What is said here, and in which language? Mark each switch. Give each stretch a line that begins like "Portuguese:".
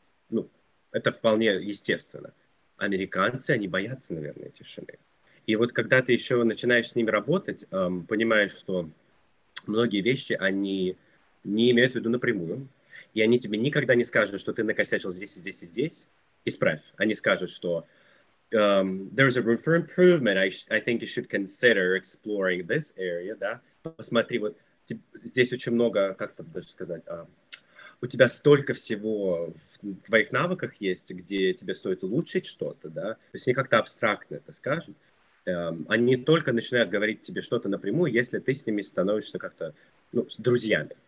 Russian: Ну, это вполне естественно. Американцы, они боятся, наверное, тишины. И вот когда ты еще начинаешь с ними работать, понимаешь, что многие вещи они не имеют в виду напрямую, и они тебе никогда не скажут, что ты накосячил здесь, и здесь, и здесь. Исправь. Они скажут, что
English: there's a room for improvement. I think you should consider exploring this area, да?
Russian: Посмотри, вот здесь очень много, как это даже сказать, у тебя столько всего в твоих навыках есть, где тебе стоит улучшить что-то, да? То есть они как-то абстрактно это скажут. Они только начинают говорить тебе что-то напрямую, если ты с ними становишься как-то, ну, с друзьями.